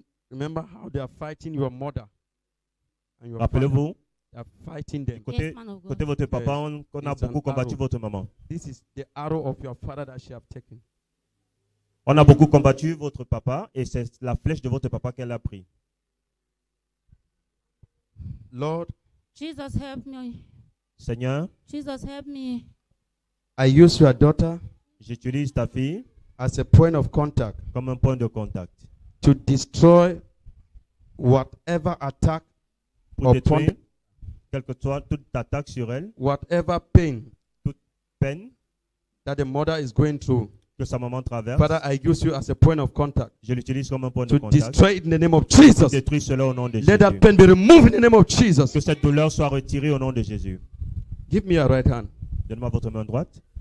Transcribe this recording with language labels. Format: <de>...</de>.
<en>Remember how they are fighting your mother and your</en> <fr>rappelez-vous,</fr> <en>father. They are fighting them.</en> <fr>Côté,</fr> <en>yes,</en> <fr>côté votre papa, yes. On a beaucoup combattu votre maman.</fr> <en>This is the arrow of your father that she have taken.</en> <fr>On a beaucoup combattu votre papa et c'est la flèche de votre papa qu'elle a pris.</fr> <en>Lord, Jesus help me.</en> <fr>Seigneur,</fr> <en>Jesus help me. I use your daughter.</en> <fr>J'utilise ta fille</fr> <en>as a point of contact.</en> <fr>Comme un point de contact.</fr> <en>To destroy whatever attack upon</en> <fr>quelque soit toute attaque sur elle,</fr> <en>whatever pain,</en> <fr>toute peine</fr> <en>that the mother is going through,</en> <fr>que sa maman traverse,</fr> <en>Father, I use you as a point of contact.</en> <fr>Je l'utilise comme un point</fr> <en>to</en> <fr>de contact.</fr> <en>To destroy it in the name of Jesus.</en> <fr>Je détruis cela au nom de</fr> <en>Let</en> <fr>Jésus.</fr> <en>Let that pain be removed in the name of Jesus.</en> <fr>Que cette douleur soit retirée au nom de Jésus.</fr> <en>Give me your right hand.</en> <fr>Donne-moi votre main droite.</fr>